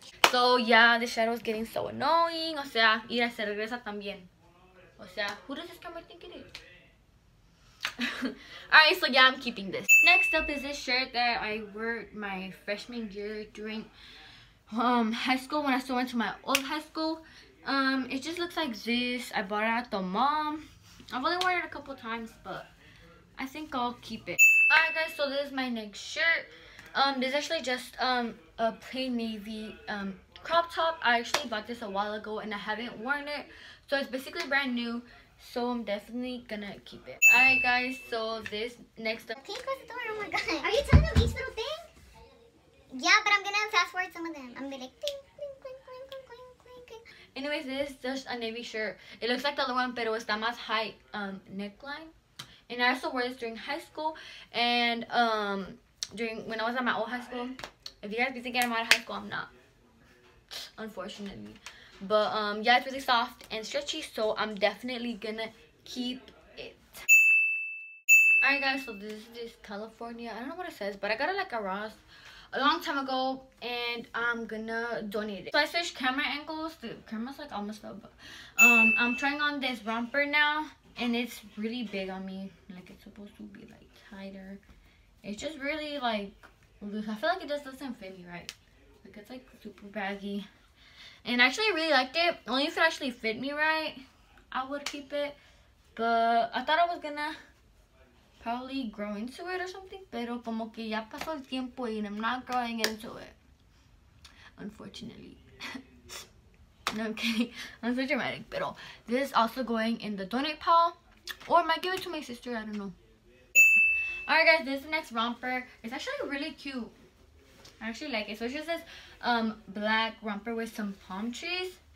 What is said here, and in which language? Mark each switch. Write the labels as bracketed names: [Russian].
[English] So yeah, the shadow is getting so annoying. [Spanish] O sea, ira se regresa también. O sea, [English] who does this camera think it is? Alright, so yeah, I'm keeping this. Next up is this shirt that I wore my freshman year during high school when I still went to my old high school. It just looks like this. I bought it at the mall. I've only worn it a couple times, but I think I'll keep it. Alright guys, so this is my next shirt. This is actually just a plain navy crop top. I actually bought this a while ago and I haven't worn it, so it's basically brand new. So I'm definitely gonna keep it. All right guys, so this next up. Can you close the door? Oh my god. Are you telling them each little thing? Yeah, but I'm gonna fast forward some of them. I'm gonna be like, ding, ding, ding, ding, ding, ding, ding, ding. Anyways, this is just a navy shirt. It looks like the other one, [Spanish] pero está más [English] high neckline. And I also wore this during high school. And during when I was at my old high school. If you guys be thinking I'm out of high school, I'm not. Unfortunately. But yeah, it's really soft and stretchy, so I'm definitely gonna keep it. Alright guys, so this is just California. I don't know what it says, but I got it like a Ross a long time ago and I'm gonna donate it. So I switched camera angles. The camera's like almost up. I'm trying on this romper now and it's really big on me. Like it's supposed to be like tighter. It's just really like loose. I feel like it just doesn't fit me right. Like it's like super baggy. And actually, I really liked it. Only if it actually fit me right, I would keep it. But I thought I was gonna probably grow into it or something. [Spanish] Pero como que ya pasó el tiempo y [English] I'm not growing into it. Unfortunately. No, I'm kidding. I'm so dramatic. Pero this is also going in the donate pile. Or I might give it to my sister. I don't know. Alright guys, this is the next romper. It's actually really cute. I actually like it. So it's just this black romper with some palm trees.